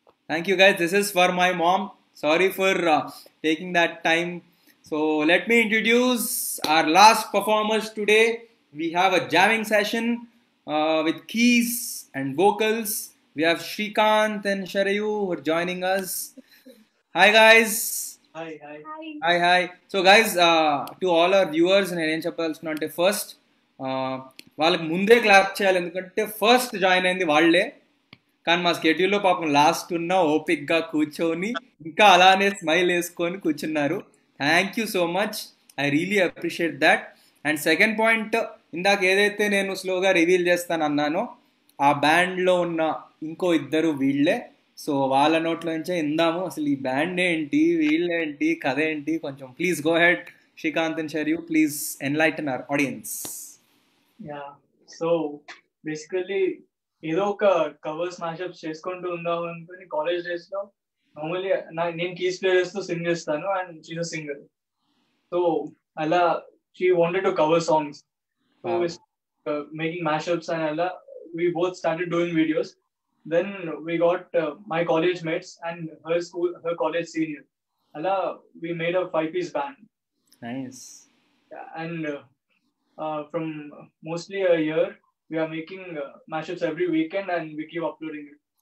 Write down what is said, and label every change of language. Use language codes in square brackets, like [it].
[en] Thank you guys, this is for my mom. Sorry for taking that time. So let me introduce our last performers today. We have a jamming session with keys and vocals. We have Srikanth and Sharayu who are joining us. Hi guys. Hi. So guys, to all our viewers, and [te] ఏం చెప్పాల్సినంటే first వాళ్ళకి ముందే clap చేయాలి, ఎందుకంటే first join అయింది వాళ్లే. కానీ మా స్కెడ్యూల్లో పాపం లాస్ట్ ఉన్న ఓపిక్ గా కూర్చొని ఇంకా అలానే స్మైల్ వేసుకొని కూర్చున్నారు. [en] Thank you so much, I really appreciate that. [te] And second point, ఇందాక ఏదైతే నేను స్లోగా రివీల్ చేస్తాను అన్నానో, ఆ బ్యాండ్లో ఉన్న ఇంకో ఇద్దరు వీళ్లే. సో వాళ్ళ నోట్లో నుంచే ఇందాము. అసలు ఈ బ్యాండ్ ఏంటి, వీళ్ళేంటి, కథ ఏంటి కొంచెం [en] please go ahead [te] Srikanth and షర్యు, [en] Please enlighten our audience. [te] Yeah, so basically ఏదో ఒక కవర్ స్మాష్ అప్ చేసుకుంటూ ఉందాము అనుకుని కాలేజ్ డేస్ లో నార్మల్లీ నేను కీస్ ప్లేయర్స్ తో సింగ్ చేస్తాను [en] And she's a singer. So అలా she wanted to cover songs, making mash ups and అలా we both started doing videos. Then we got my college mates and her school, her college senior. Ala, we made a 5-piece band. Nice. And from mostly a year, we are making mashups every weekend and we keep uploading it.